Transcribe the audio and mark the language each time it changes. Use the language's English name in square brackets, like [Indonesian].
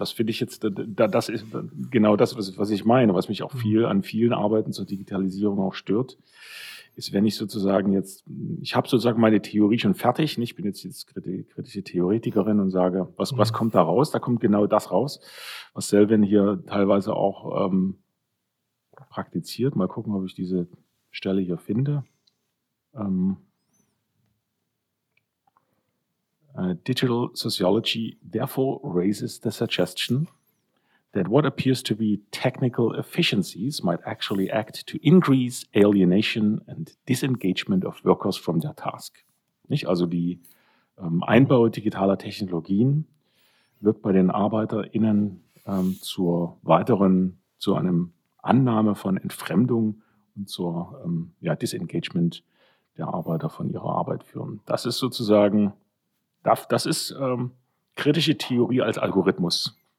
[German] Das finde ich jetzt, das ist genau das, was ich meine, was mich auch viel an vielen Arbeiten zur Digitalisierung auch stört, ist, wenn ich sozusagen jetzt, ich habe sozusagen meine Theorie schon fertig, ich bin jetzt kritische Theoretikerin und sage, was kommt da raus? Da kommt genau das raus, was Selvin hier teilweise auch praktiziert. Mal gucken, ob ich diese Stelle hier finde. [English] Digital sociology therefore raises the suggestion that what appears to be technical efficiencies might actually act to increase alienation and disengagement of workers from their task. [German] Nicht? Also die Einbau digitaler Technologien wird bei den ArbeiterInnen zu einem Annahme von Entfremdung und zur Disengagement der Arbeiter von ihrer Arbeit führen. Das ist sozusagen, das ist kritische Theorie als Algorithmus.